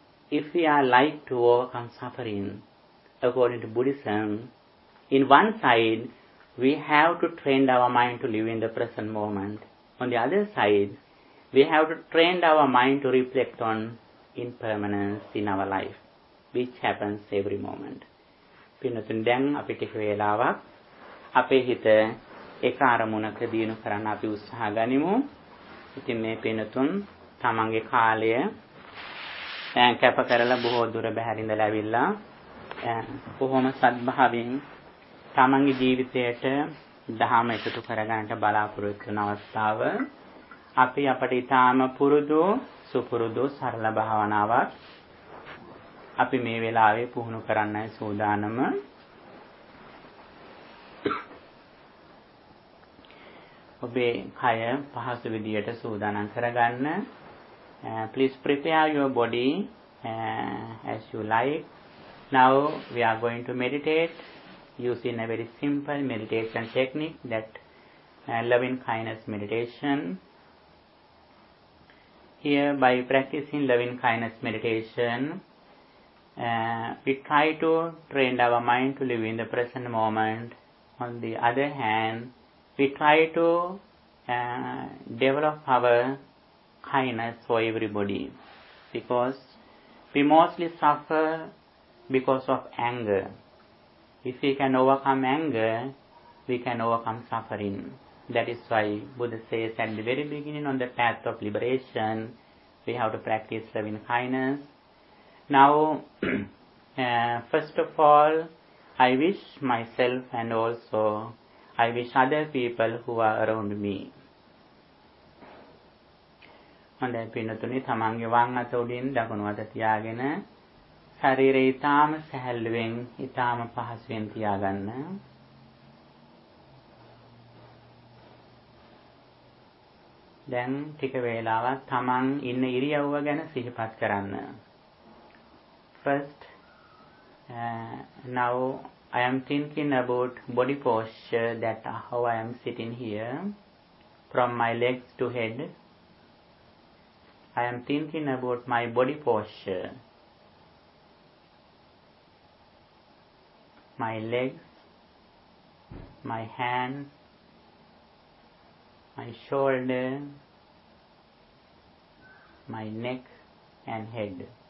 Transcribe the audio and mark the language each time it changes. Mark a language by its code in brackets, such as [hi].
[en] If we are like to overcome suffering, according to Buddhism, in one side, we have to train our mind to live in the present moment. On the other side, we have to train our mind to reflect on impermanence in our life, which happens every moment. [si] පින්නතුනි, දැන් අපි ටික වේලාවක් අපේ හිත එක අරමුණක දිනු කරන්න අපි උත්සාහ ගනිමු. ඉතින් මේ පින්නතුන් තමන්ගේ කාලය දැන් කැප කරලා බොහෝ දුර බැහැර ඉඳලා ඇවිල්ලා කොහොම සත්භාවයෙන් තමන්ගේ ජීවිතයට දහම එකතු කරගන්නට බලාපොරොත්තු වන අවස්ථාව. අපි අපට ඉතාම පුරුදු සුපුරුදු සරල භාවනාවක් අපි මේ වෙලාවේ පුහුණු කරන්නයි සූදානම. ඔබේ කය පහසු විදියට සූදානම් කරගන්න. [en] Please prepare your body as you like. Now we are going to meditate using a very simple meditation technique, that loving kindness meditation. Here, by practicing loving kindness meditation, we try to train our mind to live in the present moment. On the other hand, we try to develop our kindness for everybody, because we mostly suffer because of anger. If we can overcome anger, we can overcome suffering. That is why Buddha says at the very beginning, on the path of liberation, we have to practice loving kindness. Now, first of all, I wish myself, and also I wish other people who are around me. [si] හොඳ පින්නතුනි, තමන්ගේ වම් අත උඩින් දකුණු අත තියාගෙන ශරීරය ඉතාම සැහැල්ලුවෙන් ඉතාම පහසුවෙන් තියාගන්න. දැන් ටික වේලාවක් තමන් ඉන්න ඉරියව්ව ගැන සිහිපත් කරන්න. [en] First, now I am thinking about body posture, that how I am sitting here from my legs to head. I am thinking about my body posture, my legs, my hands, my shoulder, my neck and head.